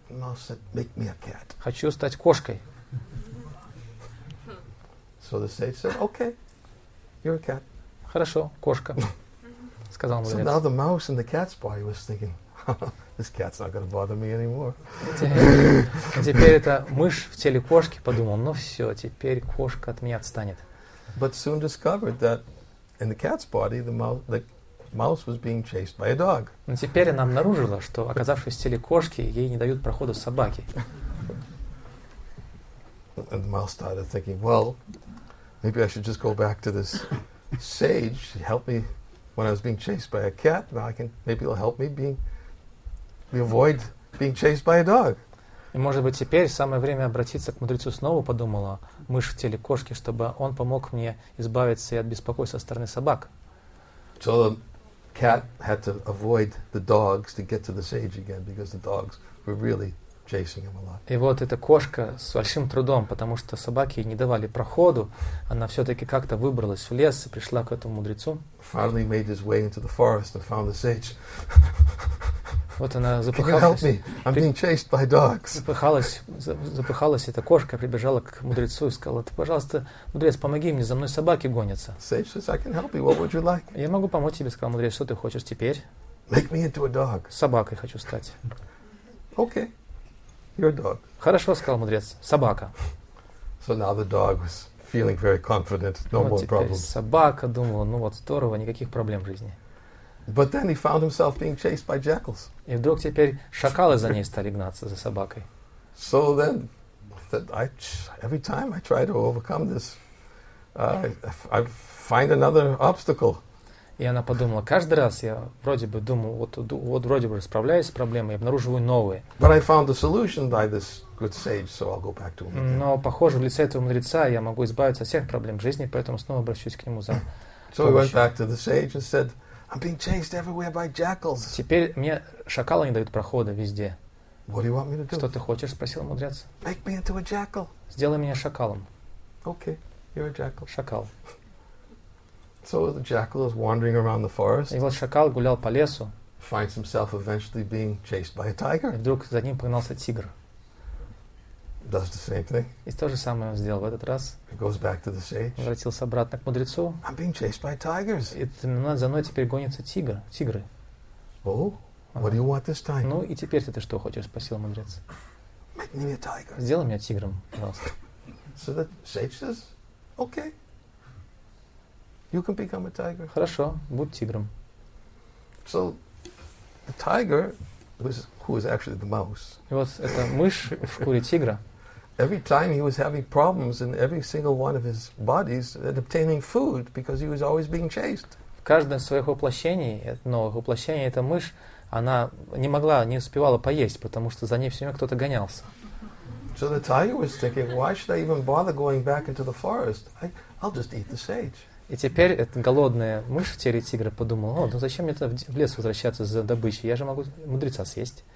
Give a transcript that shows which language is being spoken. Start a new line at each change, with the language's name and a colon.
English: Mouse said, "Make me a cat."
Russian: Хочу стать кошкой.
English: So the sage said, "Okay, you're a cat."
Russian: Хорошо, кошка, сказал мудрец.
English: So now the mouse in the cat's body was thinking, "This cat's not going to bother me anymore."
Russian: Теперь эта мышь в теле кошки подумала: "Ну все, теперь кошка от меня отстанет."
English: But soon discovered that in the cat's body, the mouse, the mouse was being chased by a dog.
Russian: Но теперь она обнаружила, что оказавшись в теле кошки, ей не дают прохода собаки.
English: And the mouse started thinking, well, maybe I should just go back to this sage. She helped me when I was being chased by a cat. Now I can maybe it'll help me avoid being chased by a dog.
Russian: И, может быть, теперь самое время обратиться к мудрецу снова, подумала мышь в теле кошки, чтобы он помог мне избавиться и от беспокойства со стороны собак.
English: So the cat had to avoid the dogs to get to the sage again, because the dogs were really chasing him a lot.
Russian: И вот эта кошка с большим трудом, потому что собаки ей не давали проходу, она все-таки как-то выбралась в лес и пришла к этому мудрецу.
English: Finally made his way into the forest and found the sage.
Russian: Вот она запыхалась.
English: I'm being chased by dogs.
Russian: Запыхалась эта кошка, прибежала к мудрецу и сказала: «Ты, пожалуйста, мудрец, помоги мне, за мной собаки гонятся».
English: Sage says, I can help you. What would you like?
Russian: Я могу помочь тебе, сказал мудрец. Что ты хочешь теперь?
English: Make me into a dog.
Russian: Собакой хочу стать.
English: Okay, you're a dog.
Russian: Хорошо, сказал мудрец. Собака.
English: So now the dog was feeling very confident. No
Russian: вот
English: more problems.
Russian: Собака думала: ну вот здорово, никаких проблем в жизни.
English: But then he found himself being chased by jackals.
Russian: И вдруг теперь шакалы за ней стали гнаться за собакой.
English: So then, every time I try to overcome this, I find another obstacle.
Russian: И она подумала: каждый раз я вроде бы думал, вот вроде бы справляюсь с проблемой, обнаруживаю новые.
English: But I found the solution by this good sage, so I'll go back to him.
Russian: Но похоже, в лице этого мудреца я могу избавиться от всех проблем жизни, поэтому снова обращусь к нему за помощью.
English: So he went back to the sage and said, I'm being chased everywhere by jackals.
Russian: Теперь мне шакалы не дают прохода везде.
English: What do you want me to do?
Russian: Что ты хочешь? Спросил мудрец.
English: Make me into a jackal.
Russian: Сделай меня шакалом.
English: Okay, you're a jackal.
Russian: Шакал.
English: So the jackal is wandering around the forest.
Russian: И вот шакал гулял по лесу.
English: Finds himself eventually being chased by a tiger.
Russian: И вдруг за ним погнался тигр.
English: Does the same thing.
Russian: И то же самое он сделал в этот раз.
English: He goes back to the sage.
Russian: Возвратился обратно к мудрецу.
English: I'm being chased by tigers.
Russian: И за мной теперь гонятся тигры.
English: Oh, what do you want this time?
Russian: Ну и теперь ты что хочешь, спросил мудрец.
English: Make me a tiger.
Russian: Сделай меня тигром, пожалуйста.
English: So the sage says, okay. You can become a tiger.
Russian: Хорошо, будь тигром.
English: So the tiger who is actually the mouse.
Russian: И вот это мышь в шкуре тигра.
English: Every time he was having problems in every single one of his bodies at obtaining food, because he was always being chased.
Russian: В каждом своих воплощений, новых воплощений, эта мышь, она не могла, не успевала поесть, потому что за ней все время кто-то гонялся.
English: So the tiger was thinking, why should I even bother going back into the forest? I'll just eat the sage.
Russian: И теперь эта голодная мышь в теле тигра подумала: о, ну зачем мне в лес возвращаться за добычей? Я же могу мудреца съесть.